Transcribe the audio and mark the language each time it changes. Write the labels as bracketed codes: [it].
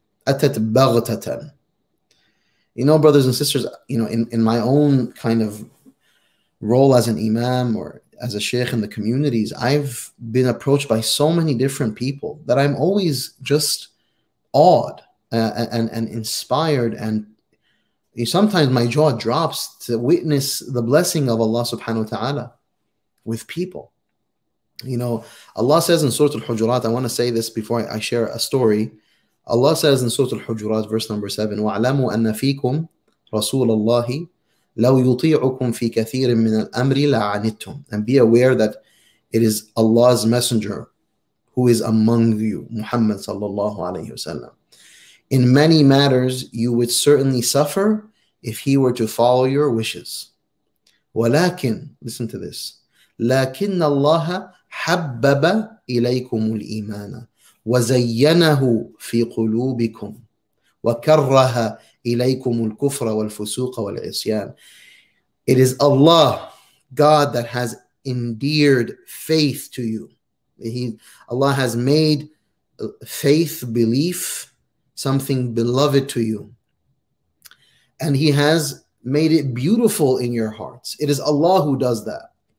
[en] Atat baghtatan. You know, brothers and sisters, you know, in my own kind of role as an imam or as a sheikh in the communities, I've been approached by so many different people that I'm always just awed and inspired, and sometimes my jaw drops to witness the blessing of Allah subhanahu wa ta'ala with people. You know, Allah says in Surah Al-Hujurat, I want to say this before I share a story. Allah says in Surah Al-Hujurat, verse number 7, [ar] وَعْلَمُوا أَنَّ فِيكُمْ رَسُولَ اللَّهِ لَوْ يُطِيعُكُمْ فِي كَثِيرٍ مِّنَ الْأَمْرِ لَعَنِتُّمْ. [en] And be aware that it is Allah's messenger who is among you, Muhammad sallallahu alayhi wasallam. In many matters, you would certainly suffer if he were to follow your wishes. [ar] وَلَكِنْ, [en] listen to this, [ar] لَكِنَّ اللَّهَ حَبَّبَ إِلَيْكُمُ الْإِيمَانَ وَزَيَّنَهُ فِي قُلُوبِكُمْ وَكَرَّهَ إِلَيْكُمُ الْكُفْرَ وَالْفُسُوقَ وَالْعِصْيَانَ. [en] It is Allah, God, that has endeared faith to you. Allah has made faith, belief, something beloved to you. And he has made it beautiful in your hearts. It is Allah who does that.